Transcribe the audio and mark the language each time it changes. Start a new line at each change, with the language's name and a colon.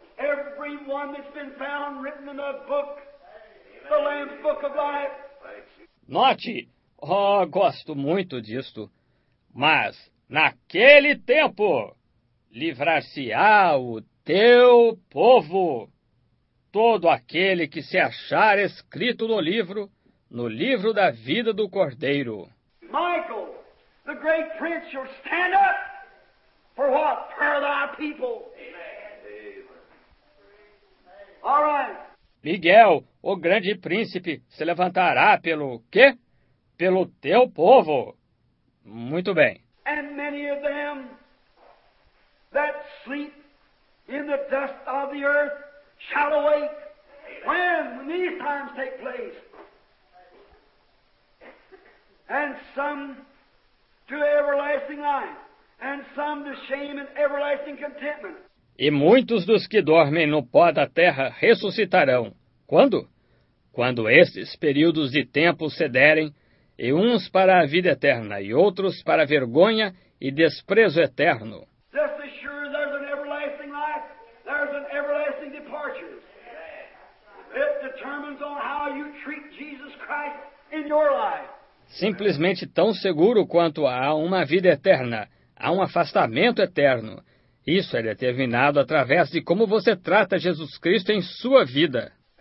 English: Every one that's been found written in the book, the Lamb's Book of Life.
Portuguese: Note, gosto muito disto, mas naquele tempo livrar-se-á o teu povo, todo aquele que se achar escrito no livro da vida do Cordeiro.
English: Michael, the great prince, shall stand up for what? For thy people.
Portuguese: Miguel, o grande príncipe, se levantará pelo quê? Pelo teu povo. Muito bem.
English: And many of them that sleep in the dust of the earth shall awake. When these times take place. And some to everlasting life. And some to shame and everlasting contentment.
Portuguese: E muitos dos que dormem no pó da terra ressuscitarão. Quando? Quando estes períodos de tempo cederem, e uns para a vida eterna e outros para a vergonha e desprezo eterno.
English: Just as sure there's an everlasting life, there's an everlasting departure. It determines on how you treat Jesus Christ in your life.
Portuguese: Simplesmente tão seguro quanto há uma vida eterna, há um afastamento eterno. Isso é determinado através de como você trata Jesus Cristo em sua vida.